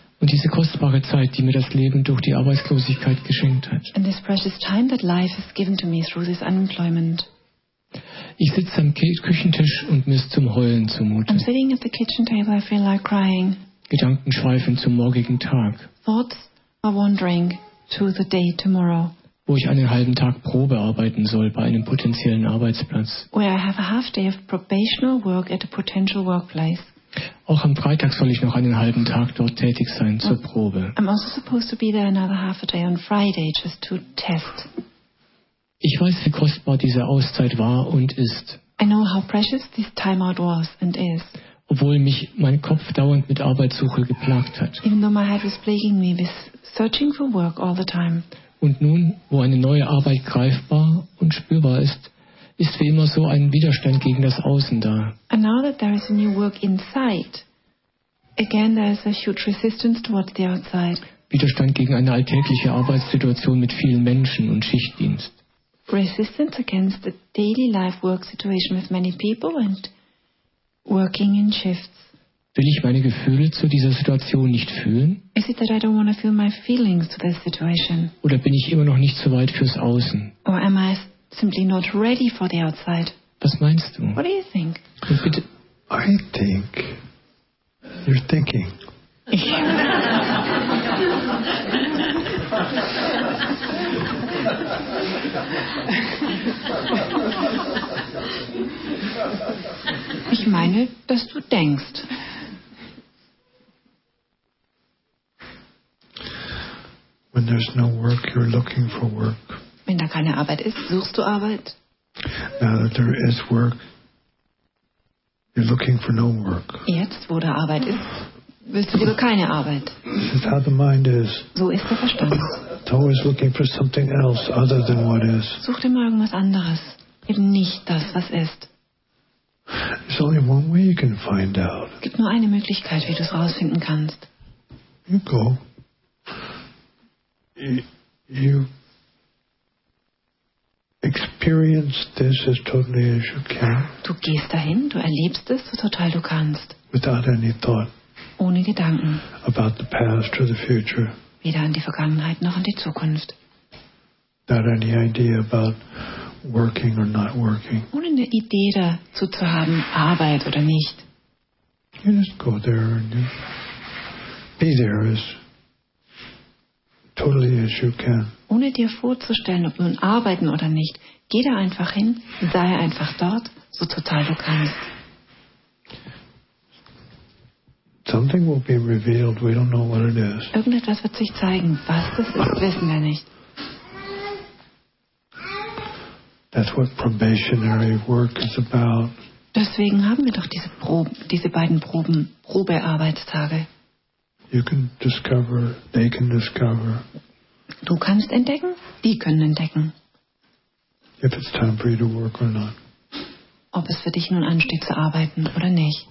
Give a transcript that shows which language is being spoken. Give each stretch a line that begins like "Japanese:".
German: Und diese kostbare Zeit, die mir das Leben durch die Arbeitslosigkeit geschenkt hat.
English: And this precious time that life has given to me through this unemployment.
German: Ich sitze am Küchentisch und mir ist zum Heulen zumute.
English: I'm sitting at the kitchen table, I feel like crying.
German: Gedanken schweifen zum morgigen Tag.
English: Thoughts are wandering to the day tomorrow.
German: Wo ich einen halben Tag Probe arbeiten soll bei einem potenziellen Arbeitsplatz.
English: Where I have a half day of probational work at a potential workplace.
German: Auch am Freitag soll ich noch einen halben Tag dort tätig sein zur Probe.
English: I'm also supposed to be there another half a day on Friday just to test.
German: Ich weiß, wie kostbar diese Auszeit war und ist.
English: I know how precious this time out was and is.
German: Obwohl mich mein Kopf dauernd mit Arbeitssuche geplagt hat.
English: Even though my head was plaguing me with searching for work all the time.
German: Und nun, wo eine neue Arbeit greifbar und spürbar ist, ist wie immer so ein Widerstand gegen das Außen da.
English: And now that there is a new work inside, again there is a huge resistance towards the outside.
German: Widerstand gegen eine alltägliche Arbeitssituation mit vielen Menschen und Schichtdienst.
English: Resistance against the daily life work situation with many people and working in shifts.
German: Will ich meine Gefühle zu dieser Situation nicht fühlen?
English: Is it that I don't want to feel my feelings to this situation?
German: Oder bin ich immer noch nicht so weit fürs Außen?
English: Or am I simply not ready for the outside?
German: Was meinst du?
English: What do you think? I think you're thinking.
German: Ich meine, dass du denkst.
English: When there's no work, you're looking for work.
German: Wenn da keine Arbeit ist, suchst du Arbeit.
English: Now that there is work, you're looking for no work.
German: Jetzt, wo da Arbeit ist, willst du lieber keine Arbeit.
English: This is how the mind is.
German: So ist der Verstand.
English: It's always looking for something else other than what is.
German: Such dir mal irgendwas anderes, eben nicht das, was ist.
English: There's only one way you can find out.
German: Es gibt nur eine Möglichkeit, wie du es rausfinden kannst.
English: You go. You experience this as totally as you can.
German: Du gehst dahin, du erlebst es so total du kannst.
English: Without any thought.
German: Ohne Gedanken.
English: About the past or the future.
German: Weder an die Vergangenheit noch an die Zukunft.
English: Not any idea about working or not working.
German: Ohne eine Idee dazu zu haben, Arbeit oder nicht.
English: You just go there and you be there as totally as you can.
German: Ohne dir vorzustellen, ob nun arbeiten oder nicht, geh da einfach hin, sei einfach dort, so total du kannst.
English: Something will be revealed. We don't know what it is.
German: Irgendetwas wird sich zeigen. Was das ist, wissen wir nicht.
English: That's what probationary work is about.
German: Deswegen haben wir doch diese Proben, diese beiden Proben, Probearbeitstage.
English: You can discover, they can discover.
German: Du kannst entdecken, die können entdecken.
English: If it's time for you to work or not.
German: Ob es für dich nun ansteht zu arbeiten oder nicht.